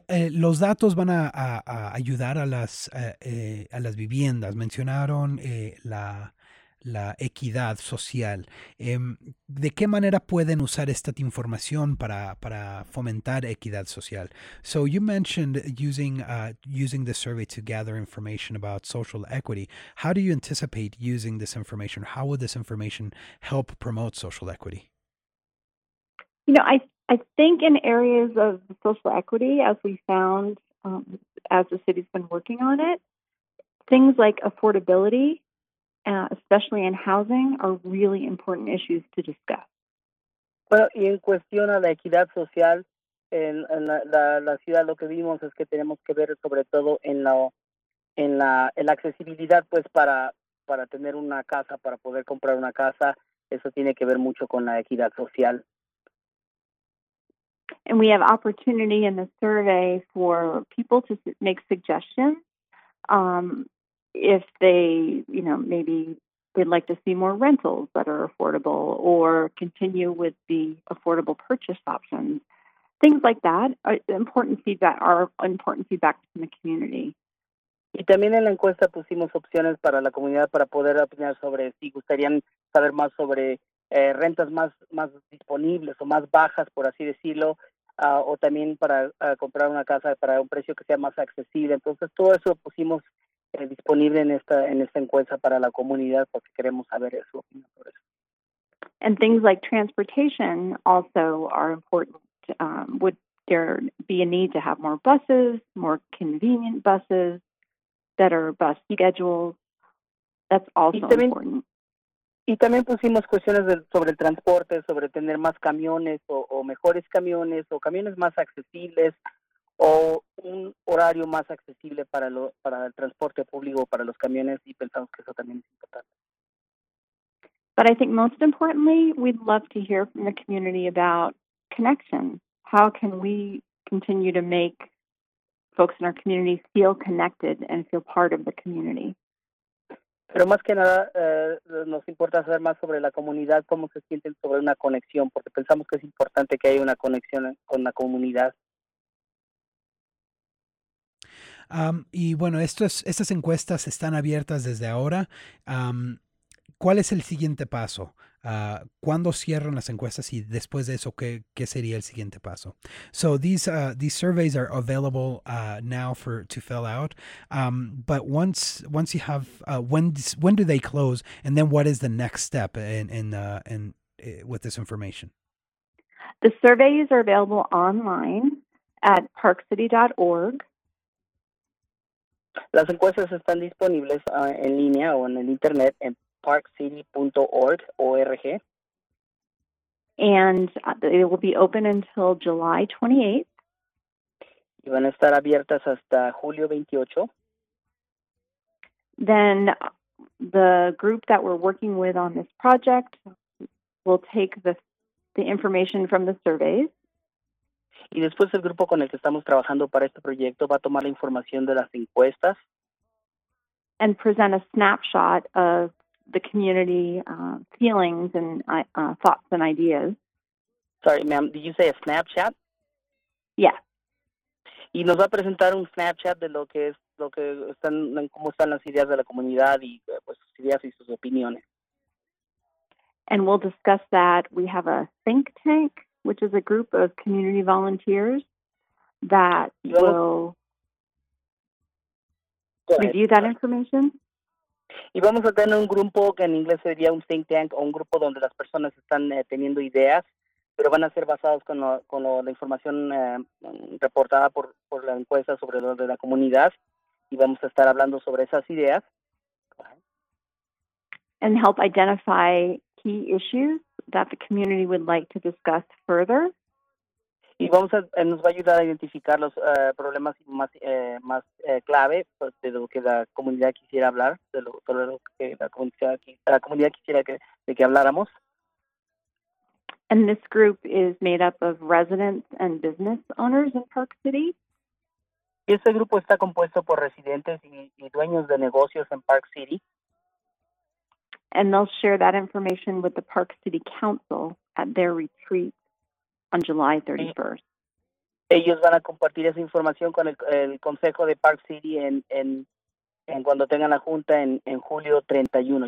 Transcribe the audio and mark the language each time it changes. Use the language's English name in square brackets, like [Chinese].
[Spanish] Los datos van a ayudar a las viviendas. Mencionaron la equidad social. ¿De qué manera pueden usar esta información para fomentar equidad social? [English] So you mentioned using the survey to gather information about social equity. How do you anticipate using this information? How would this information help promote social equity? I think in areas of social equity, as we found, as the city's been working on it, things like affordability, especially in housing, are really important issues to discuss. [Spanish] Bueno, y en cuestión a la equidad social, en la ciudad, lo que vimos es que tenemos que ver sobre todo en la accesibilidad, pues, para tener una casa, para poder comprar una casa. Eso tiene que ver mucho con la equidad social. [English] And we have opportunity in the survey for people to make suggestions if they, you know, maybe they'd like to see more rentals that are affordable or continue with the affordable purchase options. Things like that are important feedback from the community. [Spanish] Y también en la encuesta pusimos opciones para la comunidad para poder opinar sobre si gustarían saber más sobre rentas más disponibles o más bajas, por así decirlo. O también para comprar una casa para un precio que sea más accesible. Entonces, todo eso pusimos disponible en esta encuesta para la comunidad porque queremos saber su opinión sobre eso. [English] And things like transportation also are important. Would there be a need to have more buses, more convenient buses, better bus schedules. That's also important. [Spanish] Y también pusimos cuestiones sobre el transporte, sobre tener más camiones o mejores camiones o camiones más accesibles o un horario más accesible para el transporte público, para los camiones, y pensamos que eso también es importante. [English] But I think most importantly, we'd love to hear from the community about connection. How can we continue to make folks in our community feel connected and feel part of the community? [Spanish] Pero más que nada, nos importa saber más sobre la comunidad, cómo se sienten sobre una conexión, porque pensamos que es importante que haya una conexión con la comunidad. Y bueno, estas encuestas están abiertas desde ahora. ¿Cuál es el siguiente paso? ¿Cuándo cierran las encuestas y después de eso, qué sería el siguiente paso? [English] So these surveys are available now to fill out. But once you have when do they close, and then what is the next step in with this information? The surveys are available online at parkcity.org. [Spanish] Las encuestas están disponibles en línea o en el internet en parkcity.org. [English] And they will be open until July 28th. [Spanish] Y van a estar abiertas hasta julio 28. [English] Then the group that we're working with on this project will take the information from the surveys. [Spanish] Y después el grupo con el que estamos trabajando para este proyecto va a tomar la información de las encuestas. [English] And present a snapshot of the community feelings and thoughts and ideas. Sorry, ma'am, did you say a snapshot? Yeah. [Spanish] Y nos va a presentar un [English] snapshot [Spanish] de cómo están las ideas de la comunidad y pues sus ideas y sus opiniones. [English] And we'll discuss that. We have a think tank, which is a group of community volunteers that will review that information. [Spanish] Y vamos a tener un grupo que en inglés sería un [English] think tank, [Spanish] o un grupo donde las personas están teniendo ideas, pero van a ser basados con la información reportada por la encuesta sobre lo de la comunidad, y vamos a estar hablando sobre esas ideas. [English] And help identify key issues that the community would like to discuss further. [Spanish] Y nos va a ayudar a identificar los problemas más clave pues, de lo que la comunidad quisiera hablar, de lo que la comunidad quisiera que habláramos. [English] And this group is made up of residents and business owners in Park City. [Spanish] Y este grupo está compuesto por residentes y dueños de negocios en Park City. [English] And they'll share that information with the Park City Council at their retreat on July 31st. [Spanish] Ellos van a compartir esa información con el Consejo de Park City en cuando tengan la junta en julio 31.